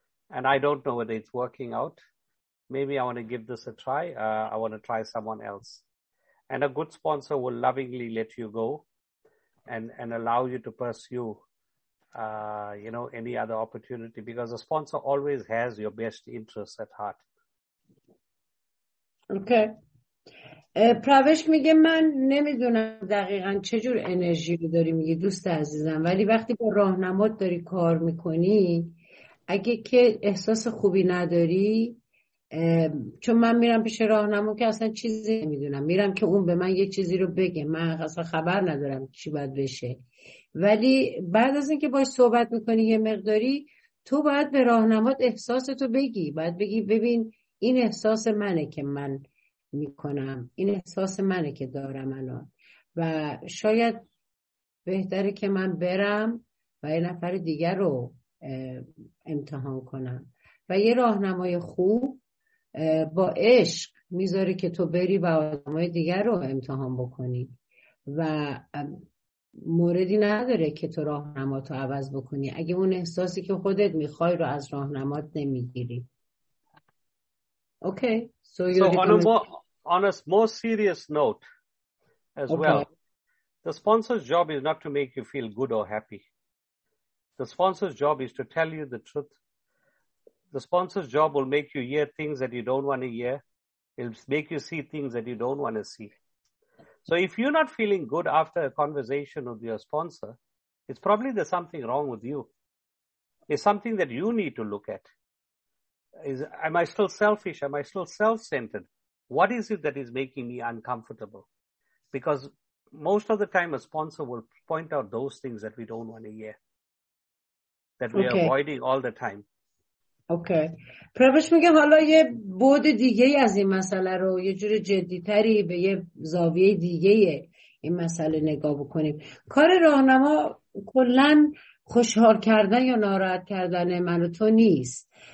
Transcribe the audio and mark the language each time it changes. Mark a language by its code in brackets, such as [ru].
[en] And I don't know whether it's working out. Maybe I want to give this a try. I want to try someone else. And a good sponsor will lovingly let you go and allow you to pursue, any other opportunity, because a sponsor always has your best interests at heart. Okay. [fa] پروش میگه من نمیدونم دقیقا چه جور انرژی رو داری میگه دوست عزیزم، ولی وقتی با راهنمات داری کار میکنی اگه که احساس خوبی نداری، چون من میرم پیش راهنما که اصلا چیزی نمیدونم، میرم که اون به من یه چیزی رو بگه، من اصلا خبر ندارم چی باید بشه، ولی بعد از اینکه باش صحبت میکنی یه مقداری، تو باید به راهنمات احساستو بگی، باید بگی ببین این احساس منه که من میکنم، این احساس منه که دارم الان، و شاید بهتره که من برم و یه نفر دیگر رو امتحان کنم، و یه راهنمای خوب با عشق میذاره که تو بری و آدمای دیگر رو امتحان بکنی، و موردی نداره که تو راهنماتو عوض بکنی اگه اون احساسی که خودت میخوای رو از راهنمات نمیگیری. [en] Okay. On a more serious note, the sponsor's job is not to make you feel good or happy. The sponsor's job is to tell you the truth. The sponsor's job will make you hear things that you don't want to hear. It'll make you see things that you don't want to see. So if you're not feeling good after a conversation with your sponsor, it's probably there's something wrong with you. It's something that you need to look at. Am I still selfish? Am I still self-centered? what is it that is making me uncomfortable? Because most of the time a sponsor will point out those things that we don't want to hear, that we are avoiding all the time. [fa] اوکی. پروش میگه حالا یه بود دیگه از این مسئله رو یه جور جدیتری به یه زاویه دیگه این مسئله نگاه بکنیم. کار راهنما کلن خوشحال کردن یا ناراحت کردن من و تو نیست.